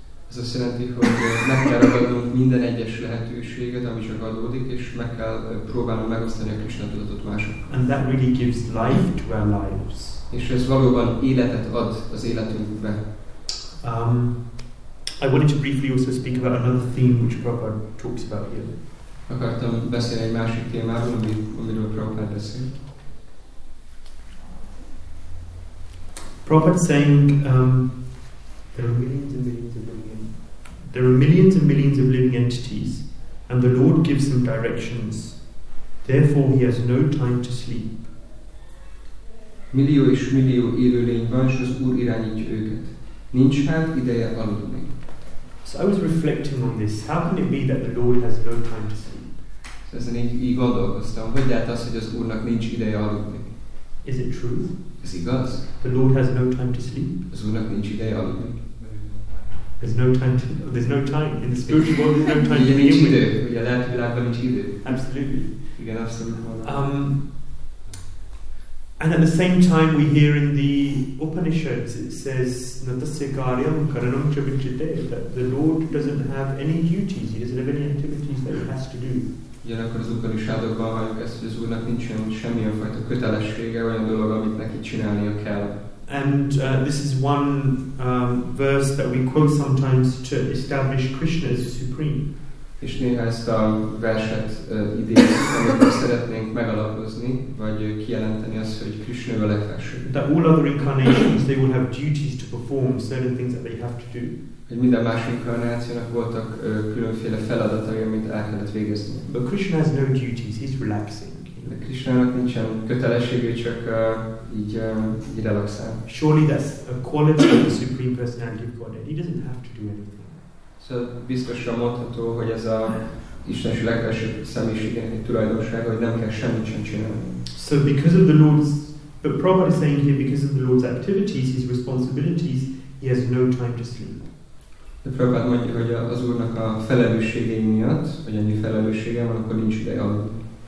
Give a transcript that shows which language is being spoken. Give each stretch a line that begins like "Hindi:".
Hungarian: Ez azt jelenti, hogy meg kell ragadnunk minden egyes lehetőséget, ami csak adódik, és meg kell próbálnunk megosztani a Krishna tudatot másokkal.
English: And that really gives life to our lives.
Hungarian: És ez valóban életet ad az életünkbe.
English: I wanted to briefly also speak about another theme which Prabhupada talks about here.
Hungarian: Akartam beszélni egy másik témáról, amiről Prabhupada beszél.
English: Prabhupada saying there are millions and millions of living there are millions and millions of living entities and the Lord gives them directions, therefore he has no time to sleep.
Hungarian: Millió és millió élőlény van, és az Úr irányítja őket. Nincs hát ideje aludni.
English: So I was reflecting on this. How can it be that the Lord has no time to sleep?
Hungarian: Ezen így gondolkoztam, hogy lehet az, hogy az Úrnak nincs ideje aludni.
English: Is it true?
Hungarian: Ez igaz?
English: The Lord has no time to sleep.
Hungarian: Az Úrnak nincs ideje aludni.
English: There's no time. In the spiritual world, there's no time to
Hungarian: nincs idő. Ugye lehet, hogy lehet, nincs idő.
English: Absolutely.
Hungarian: Igen, abszolút.
English: And at the same time, we hear in the Upanishads, it says,
Sanskrit: Natasya Karyam Karanam Chavichite,
English: that the Lord doesn't have any duties, he doesn't have any activities that he has to do.
Hungarian: Ugyanakkor az Upanishadokban halljuk ezt, hogy az Úrnak nincsen semmilyen fajta kötelessége, olyan dolog, amit neki csinálnia kell.
English: And this is one verse that we quote sometimes to establish Krishna as supreme.
Hungarian: És néha ezt a verset idézik, amikor szeretnénk megalapozni, vagy kijelenteni azt, hogy Krishna a legfelsőbb.
English: That all other incarnations, they will have duties to perform, certain things that they have to do.
Hungarian: Hogy minden más inkarnációnak voltak különféle feladatai, amit el kellett végezni.
English: But Krishna has no duties, he's relaxing.
Hungarian: De Krishnának nincsen kötelessége, csak így relaxál.
English: Surely that's a quality of the Supreme Personality of Godhead. He doesn't have to do anything.
Hungarian: Szóval biztosan mondható, hogy ez a Istenső legfelsőbb személyiségének egy tulajdonsága, hogy nem kell semmit sem csinálni.
English: So because of the Lord's, but Prabhupada is saying here, because of the Lord's activities, his responsibilities, he has no time to sleep.
Hungarian: De Prabhupada mondja, hogy az Úrnak a felelősségei miatt, vagy annyi felelőssége van, akkor nincs ideje aludni.